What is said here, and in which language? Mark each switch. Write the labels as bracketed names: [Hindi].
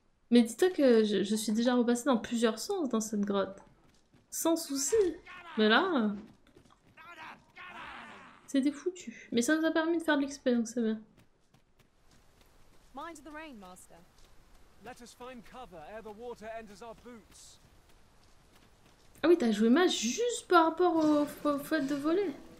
[French] Mais dis-toi que je suis déjà repassée dans plusieurs sens dans cette grotte. Sans souci. Mais là... c'était foutu. Mais ça nous a permis de faire de l'XP, donc c'est bien. [English] Mind the rain, master. Let us find cover ere the water enters our boots. [French] Ah oui, t'as joué mage juste par rapport au fait de voler.